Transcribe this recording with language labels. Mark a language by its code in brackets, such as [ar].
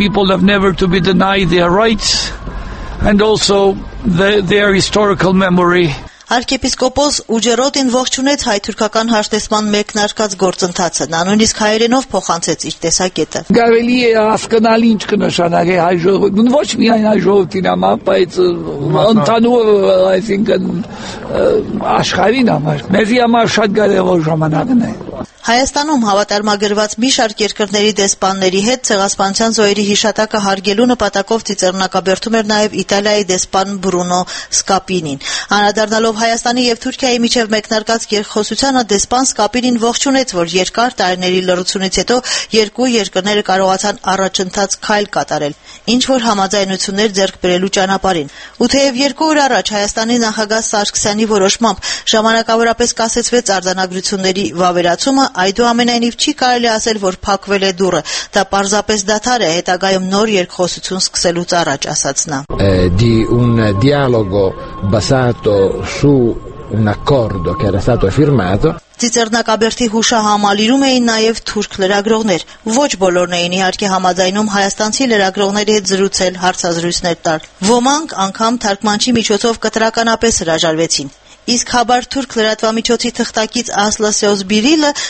[en] Have never to be denied their rights and also their historical memory. [hy] Արքեպիսկոպոս Ուջերոտին ողջունեց հայ թուրքական հաշտեսման մեկնարկած գործընթացը, նա նույնիսկ հայերենով փոխանցեց իր տեսակետը։ Գավելի է հասկանալ, ինչ կնշանակի հայ ժողովուրդը, ոչ միայն հայ ժողովրդին, բայց ընդհանուր, այսինքն աշխարհին համար, մեզ համար շատ կարևոր ժամանակն է։ Հայաստանում հավատարմագրված մի շարք երկրների դեսպանների հետ ցեղասպանության զոհերի հիշատակը հարգելու նպատակով ծիծեռնակաբերդում էր նաև Իտալիայի դեսպան Բրունո Սկապինին։ Անդրադառնալով Հայաստանի և Թուրքիայի միջև մեկնարկած երկխոսությանը, դեսպան Սկապինին ողջունեց, որ երկար տարիների լռությունից հետո երկու երկրները կարողացան առաջընթաց քայլ կատարել, ինչ որ համաձայնություններ ձեռք բերելու ճանապարհին։ Ու թեև երկու օր առաջ Հայաստանի նախագահ Սարգսյանի որոշմամբ ժամանակավորապես կասեցվեց արձանագրությունների վավերացումը, այդուամենայնիվ չի կարելի ասել, որ փակվել է դուռը, դա պարզապես դադար է հետագայում նոր երկխոսություն սկսելուց առաջ, ասաց նա։ [it] Di un dialogo basato su un accordo che era stato firmato. [hy] Ծիծեռնակաբերդի հուշահամալիրում էին նաև թուրք լրագրողներ։ Ոչ բոլորն էին իհարկե համաձայնում հայաստանցի լրագրողների հետ զրուցել, հարցազրույցներ տալ։ Ոմանք անգամ թարգմանչի միջոցով կտրականապես հրաժարվեցին։ Իսկ հաբար թուրք լրատվամիջոցի թղթակից Ասլասեոս Բիրիլը